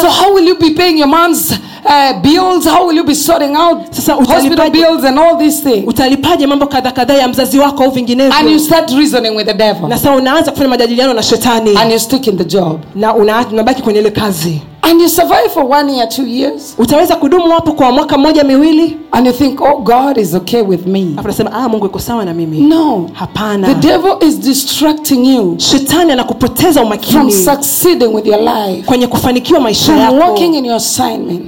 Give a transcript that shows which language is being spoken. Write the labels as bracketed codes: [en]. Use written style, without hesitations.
[en] So how will you be paying your mom's bills, how will you be sorting out hospital bills and all these things? [sw] Utalipaje mambo kadha kadha ya mzazi wako au vinginevyo? [en] And you start reasoning with the devil. [sw] Na sasa unaanza kufanya majadiliano na shetani. [en] And you stick in the job. [sw] Na unabaki kwenye ile kazi. [en] And you survive for 1 year, 2 years. [sw] Utaweza kudumu hapo kwa mwaka mmoja miwili. [en] And you think, oh, God is okay with me. [sw] Afrasema, ah, Mungu yuko sawa na mimi. [en] No. [sw] Hapana. [en] The devil is distracting you. [sw] Shetani anakupoteza umakini. [en] From succeeding with your life. [sw] Kwenye kufanikiwa maisha yako. [en] From walking in your assignment.